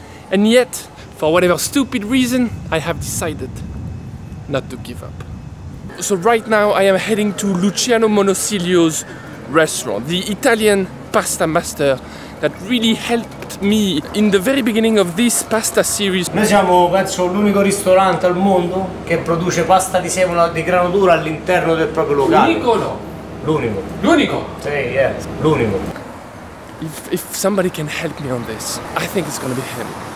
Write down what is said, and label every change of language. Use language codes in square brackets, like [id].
[en] And yet, for whatever stupid reason, I have decided not to give up. So right now I am heading to Luciano Monosilio's restaurant, the Italian pasta master that really helped me in the very beginning of this pasta series. [it] Noi siamo, penso, l'unico ristorante al mondo che produce pasta di semola di grano duro all'interno del proprio locale. L'unico, no? L'unico. L'unico? Sì, yes, l'unico. [en] If somebody can help me on this, I think it's gonna be him.